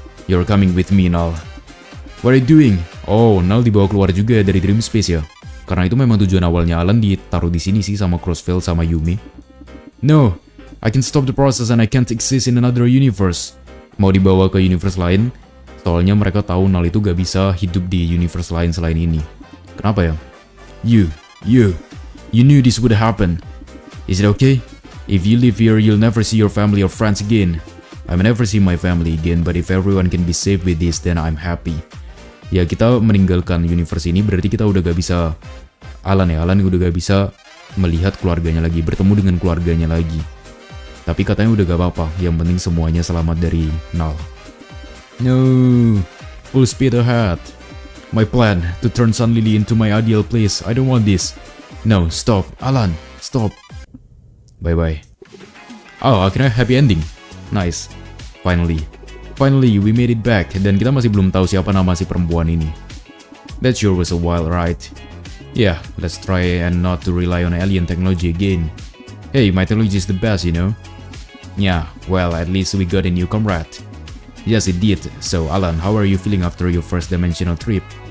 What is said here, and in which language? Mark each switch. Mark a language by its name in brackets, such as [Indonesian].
[English] You're coming with me, Null. What are you doing? [Indonesian] Oh, Null dibawa keluar juga dari Dream Space ya. Karena itu memang tujuan awalnya Alan ditaruh di sini sih sama Crossfield sama Yumi. [English] No, I can stop the process and I can't exist in another universe. [Indonesian] Mau dibawa ke universe lain? Soalnya mereka tahu Null itu gak bisa hidup di universe lain selain ini. Kenapa ya? [English] You knew this would happen. Is it okay? If you live here, you'll never see your family or friends again. I may never see my family again, but if everyone can be safe with this, then I'm happy. [Indonesian] Ya, kita meninggalkan universe ini berarti kita udah gak bisa... Alan udah gak bisa melihat keluarganya lagi, bertemu dengan keluarganya lagi. Tapi katanya udah gak apa-apa, yang penting semuanya selamat dari Null. [English] No, full speed ahead. My plan, to turn Sun Lily into my ideal place. I don't want this. No, stop. Alan, stop. Bye-bye. Oh, akhirnya happy ending. Nice. Finally, we made it back. [Indonesian] Dan kita masih belum tahu siapa nama si perempuan ini. [English] That sure was a wild ride. Yeah, let's try and not to rely on alien technology again. Hey, my technology is the best, you know? Yeah, well, at least we got a new comrade. Yes, it did. So, Alan, how are you feeling after your first dimensional trip?